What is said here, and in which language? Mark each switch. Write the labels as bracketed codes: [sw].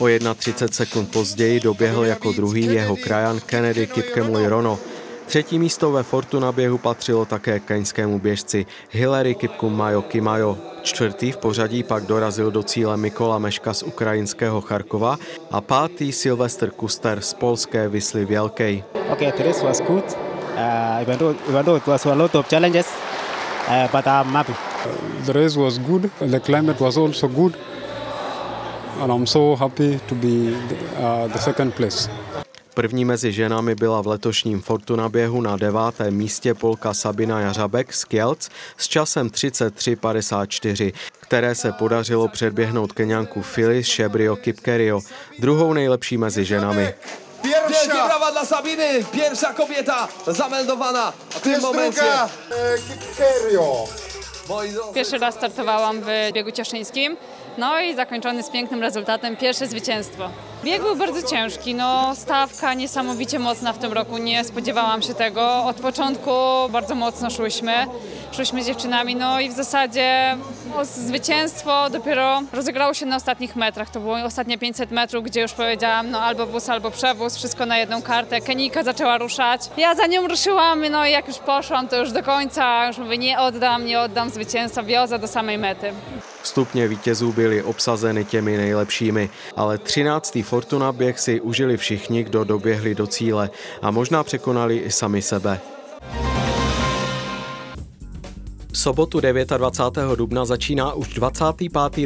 [cs] O 31 sekund později doběhl jako druhý jeho krajan Kennedy Kipkemui Rono. Třetí místo ve Fortuna běhu patřilo také keňskému běžci Hillary Kipkumajo Kimajo. Čtvrtý v pořadí pak dorazil do cíle Mikola Meška z ukrajinského Charkova a pátý Silvester Kuster z polské Wisly Wielkej. [en] Ok, this was good. Even though it was a lot of challenges, but I'm happy. The race was good. The climate was also good, and I'm so happy to be the second place. [cs] První mezi ženami byla v letošním Fortuna běhu na 9. místě Polka Sabina Jařabek z Kielc s časem 33:54, které se podařilo předběhnout Keňanku Phyllis Shebrio Kipkerio, druhou nejlepší mezi ženami. [pl] Pierwsza brawa dla Sabiny, pierwsza kobieta zameldowana w tym momencie. Kipkerio. Pierwszy raz startowałam w biegu cieszyńskim, no i zakończony z pięknym rezultatem, pierwsze zwycięstwo. Bieg był bardzo ciężki, no stawka niesamowicie mocna w tym roku, nie spodziewałam się tego. Od początku bardzo mocno szłyśmy z dziewczynami, no i w zasadzie zwycięstwo dopiero rozegrało się na ostatnich metrach. To było ostatnie 500 metrów, gdzie już powiedziałam, no albo wóz, albo przewóz, wszystko na jedną kartę. Kenijka zaczęła ruszać, ja za nią ruszyłam, no i jak już poszłam, to już do końca, już mówię, nie oddam zwycięstwa, wiozę do samej mety. [cs] Stupně vítězů byly obsazeny těmi nejlepšími, ale 13. Fortuna běh si užili všichni, kdo doběhli do cíle a možná překonali i sami sebe. V sobotu 29. dubna začíná už 25.